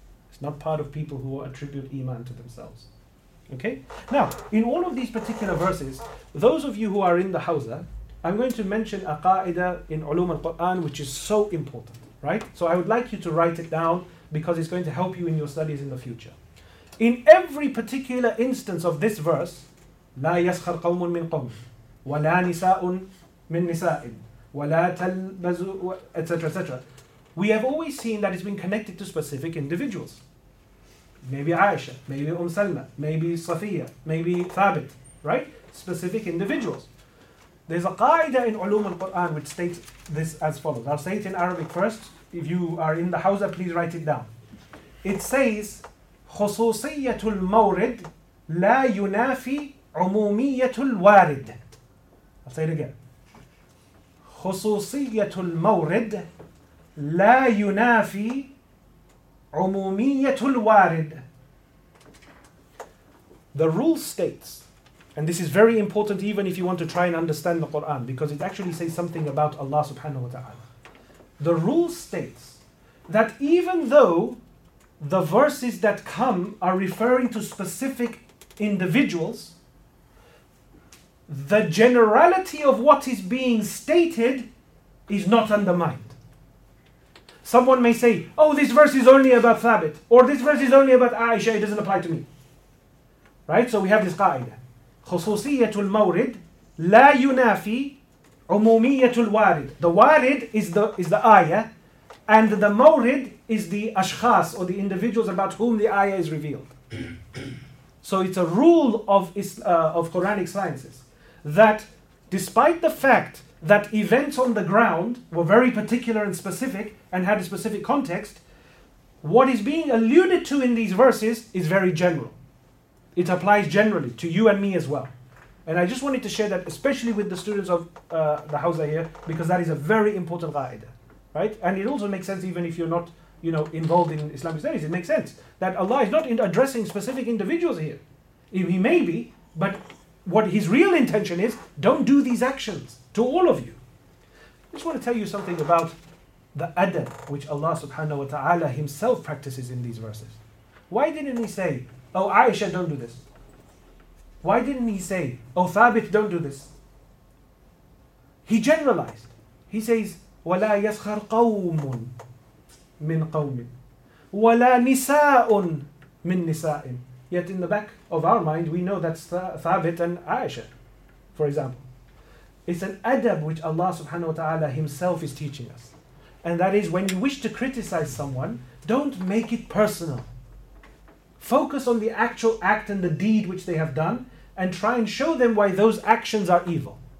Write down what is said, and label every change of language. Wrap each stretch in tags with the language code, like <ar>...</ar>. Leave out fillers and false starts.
<en>It's not part of people who attribute iman to themselves. Okay? Now, in all of these particular verses, those of you who are in the Hawza, I'm going to mention a qa'idah in Ulum al-Qur'an, which is so important, right? So I would like you to write it down because it's going to help you in your studies in the future. In every particular instance of this verse,</en> <ar>لا يسخر قوم من قوم ولا نساء من نساء ولا تلبزوا,</ar> <en>etc., etc. We have always seen that it's been connected to specific individuals. Maybe Aisha, maybe Salma, maybe Safiya, maybe Thabit, right? Specific individuals. There's a qaida in Ulum al-Qur'an which states this as follows. I'll say it in Arabic first. If you are in the Hausa, please write it down.</en> <ar>It says, خُصُوصِيَّةُ الْمَوْرِدِ لَا يُنَافِي عُمُومِيَّةُ الْوَارِدِ. I'll say it again. خُصُوصِيَّةُ الْمَوْرِدِ لَا يُنَافِي عُمُومِيَّةُ الْوَارِدِ.</ar> <en>The rule states, and this is very important even if you want to try and understand the Qur'an, because it actually says something about Allah subhanahu wa ta'ala. The rule states that even though the verses that come are referring to specific individuals, the generality of what is being stated is not undermined. Someone may say, oh, this verse is only about Thabit, or this verse is only about Aisha, it doesn't apply to me. Right? So we have this qaida.</en> <ar>خصوصية المورد لا ينافي عمومية الوارد.</ar> <en>The وارد is the ayah, and the مورد is the أشخاص or the individuals about whom the ayah is revealed. So it's a rule of Quranic sciences that despite the fact that events on the ground were very particular and specific and had a specific context, what is being alluded to in these verses is very general. It applies generally to you and me as well. And I just wanted to share that, especially with the students of the Hawza here, because that is a very important qaida, right? And it also makes sense even if you're not, you know, involved in Islamic studies. It makes sense that Allah is not addressing specific individuals here. He may be, but what his real intention is, don't do these actions to all of you. I just want to tell you something about the adab which Allah subhanahu wa ta'ala himself practices in these verses. Why didn't he say, oh Aisha, don't do this? Why didn't he say, oh Thabit, don't do this? He generalized. He says,</en> <ar>وَلَا يَسْخَرْ قَوْمٌ مِنْ قَوْمٍ وَلَا نِسَاءٌ مِنْ نِسَاءٍ.</ar> <en>Yet in the back of our mind, we know that's Thabit and Aisha, for example. It's an adab which Allah subhanahu wa ta'ala himself is teaching us. And that is, when you wish to criticize someone, don't make it personal. Focus on the actual act and the deed which they have done, and try and show them why those actions are evil.</en>